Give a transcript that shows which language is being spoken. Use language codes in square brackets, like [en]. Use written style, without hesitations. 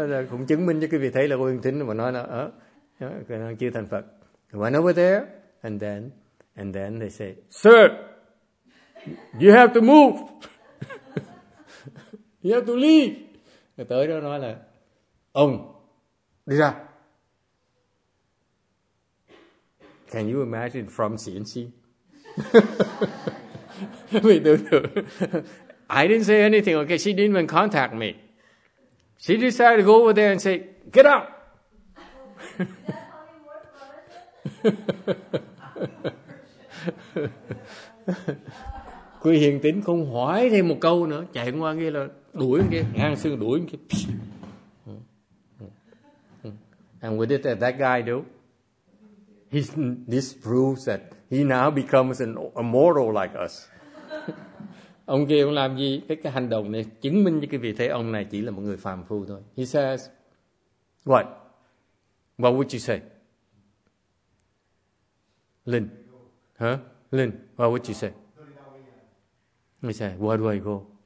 [vi] Cũng chứng minh cho quý vị thấy là cô hiện tính mà nói là chưa thành Phật. [en] Went over there. And then they say, "Sir, you have to move. You have to leave." [vi] Tới đó nói là, "Ông, đi ra." [en] Can you imagine from CNC? Wait, no. I didn't say anything. Okay, she didn't even contact me. She decided to go over there and say, "Get out." [vi] Quý hiền tính không hỏi thêm một câu nữa, chạy qua kia là đuổi kia, ngang xương đuổi kia. [en] And with it, that guy do. This proves that he now becomes an immortal like us. [vi] Ông kia ông làm gì? Cái hành động này chứng minh cho quý vị thấy ông này chỉ là một người phàm phu thôi. [en] He says, "What? What would you say, Linh?" Huh? Lin, what would you say? He said, "Where do I go?"